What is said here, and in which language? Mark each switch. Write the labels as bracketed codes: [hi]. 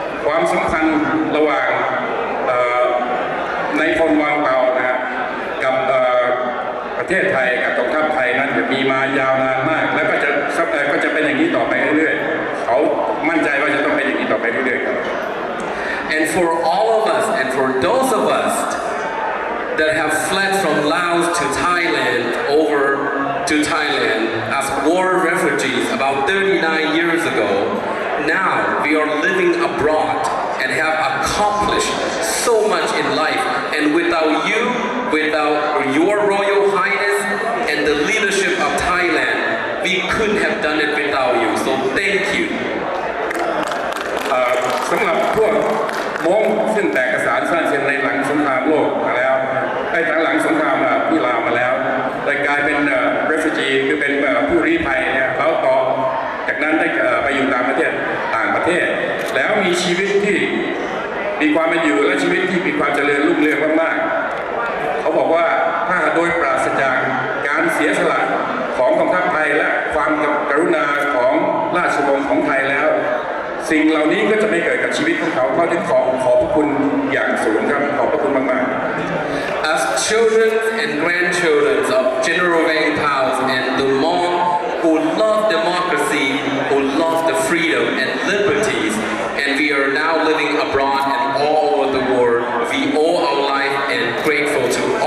[th] ความสำคัญระหว่างในพลวังเปานะครับกับประ ประเทศไทยกับกองทัพไทยนั้นจะมีมายาวนานมากแล้วก็จะเป็นอย่างนี้ต่อไปเรื่อยๆเขามั่นใจว่าจะต้องเป็นอย่างนี้ต่อไปเรื่อยๆครับ [en] And for all of us and for those of us that have fled from Laos to Thailand over to Thailand as war refugees about 39 years ago now we are living abroad and have accomplished so much in life and without youWithout your Royal Highness and the leadership of Thailand, we couldn't have done it without you. So thank you. [th] สำหรับพวกม้งซึ่งแตกกระสานสั้นเชียงในหลังสงครามโลกมาแล้วไอ้ทั้งหลังสงครามที่ลาวมาแล้วเลยกลายเป็นrefugee คือเป็นผู้ลี้ภัยเนี่ยแล้วต่อจากนั้นได้ไปอยู่ตามประเทศต่างประเทศแล้วมีชีวิตที่ มีความเป็นอยู่และชีวิตที่มีความเจริญรุ่งเรืองมากเขาบอกว่าถ้าโดยปราศจากการเสียสละของกองทัพไทยและความกรุณาของราชวงศ์ของไทยแล้วสิ่งเหล่านี้ก็จะไม่เกิดกับชีวิตของเขาเขาจึงขอพระคุณอย่างสูงครับขอบพระคุณมาก [en] ๆ As children and grandchildren of General Wang Thao and the Mong who love democracy who love the freedom and liberties and we are now living abroad and all over the world we owe our life and grateful to